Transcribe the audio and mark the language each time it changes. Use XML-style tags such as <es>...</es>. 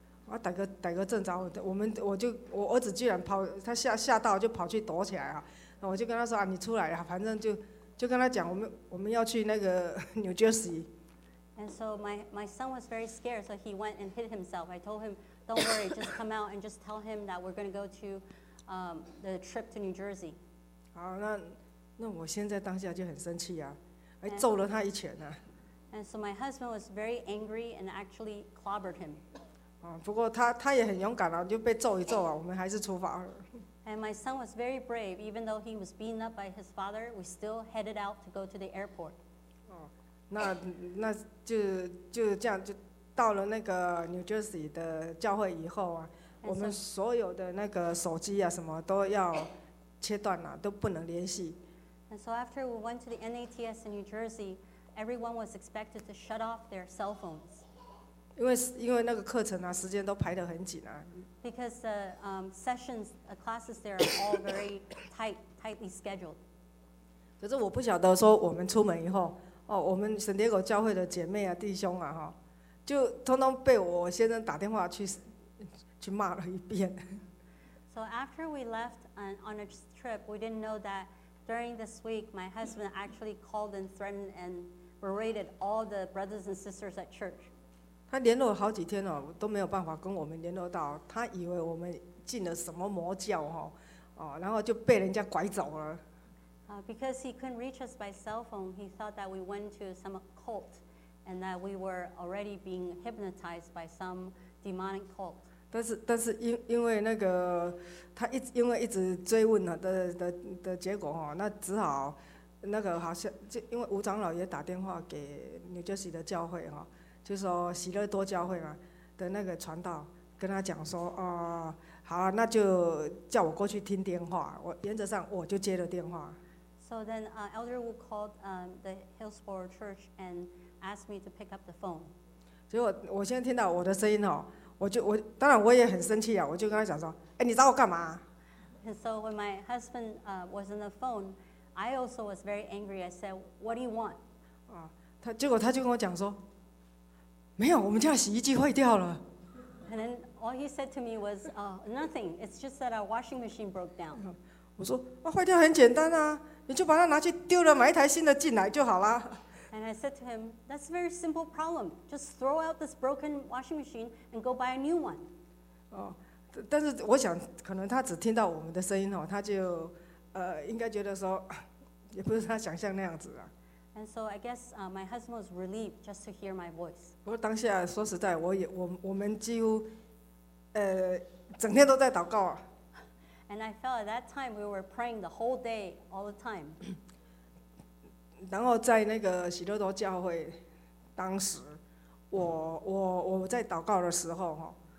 <zh>啊，逮个正着，我儿子居然跑，他吓到就跑去躲起来啊，那我就跟他说啊，你出来啊，反正就跟他讲，我们要去那个 New Jersey。</zh> <en>And so my son was very scared, so he went and hid himself. I told him, don't worry, just come out and just tell him that we're going to go to, the trip to New Jersey.</en> <zh>好，那我现在当下就很生气啊，还揍了他一拳呢。</zh> <en>And so my husband was very angry and actually clobbered him.</en> <zh>不过他也很勇敢啊，就被揍一揍啊，我们还是出发了。</zh> <en>And my son was very brave, even though he was beaten up by his father, we still headed out to go to the airport.</en> <zh>那就这样，就到了那个 New Jersey 的教会以后啊，我们所有的那个手机啊什么都要切断了，都不能联系。</zh> <en>And so after we went to the NATS in New Jersey, everyone was expected to shut off their cell phones.</en> <zh>因为那个课程啊，时间都排得很紧啊。</zh> <en>Because the sessions, the classes there are all very tightly scheduled.</en> <zh>可是我不晓得说，我们出门以后，我们圣迭戈教会的姐妹啊、弟兄啊，哈，就通通被我先生打电话去骂了一遍。</zh> <en>So after we left on a trip, we didn't know that during this week, my husband actually called and threatened and berated all the brothers and sisters at church.</en> <zh>他联络好几天哦，都没有办法跟我们联络到。他以为我们进了什么魔教哦，然后就被人家拐走了。</zh> <en>Because he couldn't reach us by cell phone, he thought that we went to some cult, and that we were already being hypnotized by some demonic cult.</en> <zh>但是因为那个他一直追问了的结果哦，那只好那个好像就因为吴长老也打电话给 New Jersey 的教会哦。就说喜乐多教会嘛的那个传道跟他讲说，好，那就叫我过去听电话。我原则上我就接了电话。</zh> <en>So then, Elder Wu called the Hillsboro Church and asked me to pick up the phone.</en> <zh>结果我现在听到我的声音哦，我当然我也很生气啊，我就跟他讲说，哎，你找我干嘛</zh> <en>？And so when my husband was on the phone, I also was very angry. I said, "What do you want?"</en> <zh>结果他就跟我讲说。没有，我们家洗衣机坏掉了。</zh> <en>And then all he said to me was, nothing. It's just that our washing machine broke down.</en> <zh>我说，坏掉很简单啊，你就把它拿去丢了，买一台新的进来就好了。</zh> <en>And I said to him, that's a very simple problem. Just throw out this broken washing machine and go buy a new one.</en> <zh>但是我想可能他只听到我们的声音，他就应该觉得说也不是他想象那样子啊。</zh> <en>And so I guess my husband was relieved just to hear my voice.</en> <zh>不过当下说实在，我们几乎整天都在祷告啊。</zh> <en>And I felt at that time we were praying the whole day, all the time.</en> <zh>然后在那个喜乐多教会，当时我在祷告的时候哈。</zh>